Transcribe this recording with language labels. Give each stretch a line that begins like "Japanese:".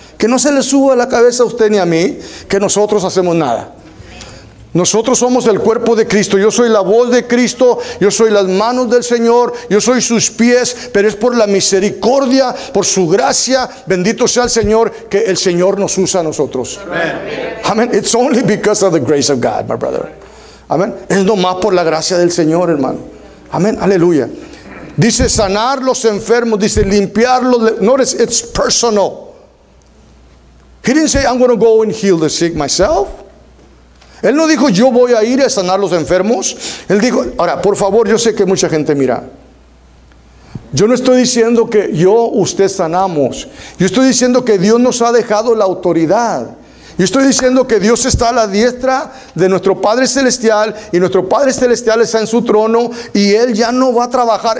Spanish: Que no se le suba a la cabeza a usted ni a mí que nosotros hacemos nada. Nosotros somos el cuerpo de Cristo. Yo soy la voz de Cristo. Yo soy las manos del Señor. Yo soy sus pies. Pero es por la misericordia, por su gracia, bendito sea el Señor, que el Señor nos usa a nosotros. Amén.
English: It's only because of the grace of God, my brother.
Spanish: Amén. Es nomás por la gracia del Señor, hermano. Amén. Aleluya. Dice sanar los enfermos. Dice limpiarlos.
English: Notice, it's personal. He didn't say, I'm going to go and heal the sick myself.
Spanish: Él no dijo, yo voy a ir a sanar los enfermos. Él dijo, ahora, por favor, yo sé que mucha gente mira. Yo no estoy diciendo que yo, usted sanamos. Yo estoy diciendo que Dios nos ha dejado la autoridad. Yo estoy diciendo que Dios está a la diestra de nuestro Padre Celestial y nuestro Padre Celestial está en su trono y Él ya no va a trabajar.